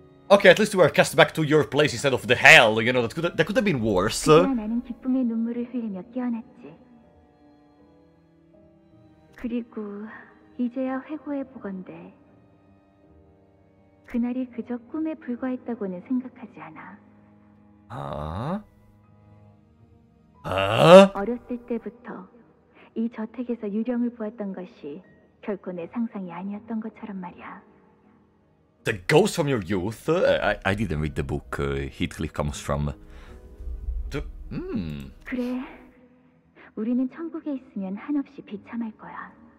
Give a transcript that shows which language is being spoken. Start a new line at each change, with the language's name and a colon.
English: Okay, at least we were cast back to your place instead of the hell, you know, that could have been worse.
Korean: 나는 기쁨의 눈물을 흘리며 깨어났지. 그리고 이제야 회고해 보건대. 그날이 그저 꿈에 불과했다고는 생각하지 않아. 아? 아? 어렸을 때부터 이 저택에서 유령을 보았던 것이 결코 내 상상이 아니었던 것처럼 말이야.
English: The ghost from your youth? I didn't read the book Heathcliff comes from. The... Mm.
Korean: 그래, 우리는 천국에 있으면 한없이 비참할 거야.